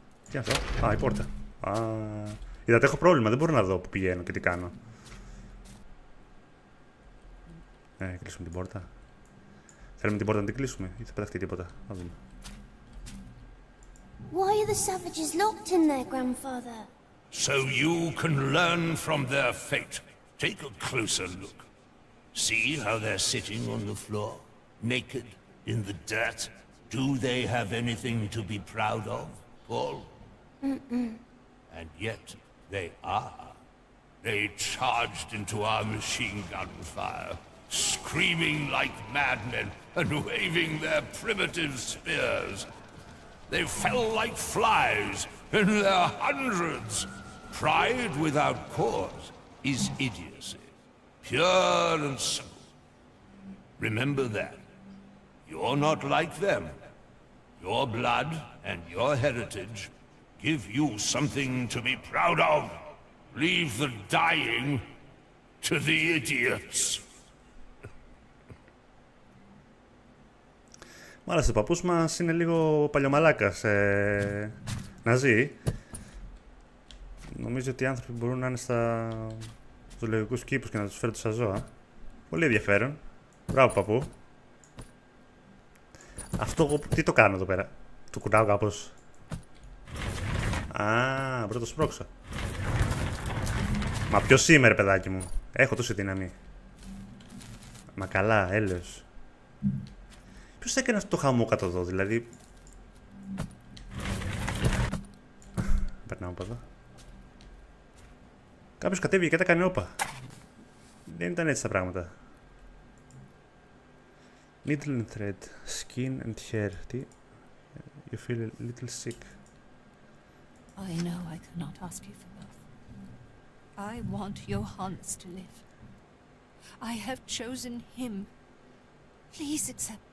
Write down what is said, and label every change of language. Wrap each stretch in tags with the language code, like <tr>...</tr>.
<el>Τι αυτό, α, η πόρτα. Α, είδατε, έχω πρόβλημα, δεν μπορώ να δω που πηγαίνω και τι κάνω. Κλείσουμε την πόρτα. Θέλουμε την πόρτα να την κλείσουμε ή θα πεταχτεί τίποτα, να δούμε.</el> <en>Why are the savages locked in there, grandfather? So you can learn from their fate. Take a closer look. See how they're sitting on the floor, naked, in the dirt. Do they have anything to be proud of, Paul? Mm-mm. And yet, they are. They charged into our machine gun fire, screaming like madmen and waving their primitive spears. They fell like flies in their hundreds. Pride without cause is idiocy. Pure and simple. Remember that. You're not like them. Your blood and your heritage give you something to be proud of. Leave the dying to the idiots.</en> <el>Μάλιστα, ο παππούς μας είναι λίγο παλιομαλάκας, ναζί. Νομίζω ότι οι άνθρωποι μπορούν να είναι στα ζωολογικούς κήπους και να τους φέρουν σαν ζώα. Πολύ ενδιαφέρον. Μπράβο, παππού. Αυτό, τι το κάνω εδώ πέρα. Του κουνάω κάπως. Α, πρώτα σπρώξα. Μα ποιος είμαι, ρε παιδάκι μου. Έχω τόση δύναμη. Μα καλά, έλεος. Ποιος θα έκανε αυτό το χαμό κάτω εδώ, δηλαδή... Περνάω από εδώ. Κάποιος κατέβηκε και τα έκανε όπα. Δεν ήταν έτσι τα πράγματα.</el> <en>Needle and thread, skin and hair. Τι... You feel a little sick. I know I cannot ask you for both. I want Johannes to live. I have chosen him. Please accept.</en>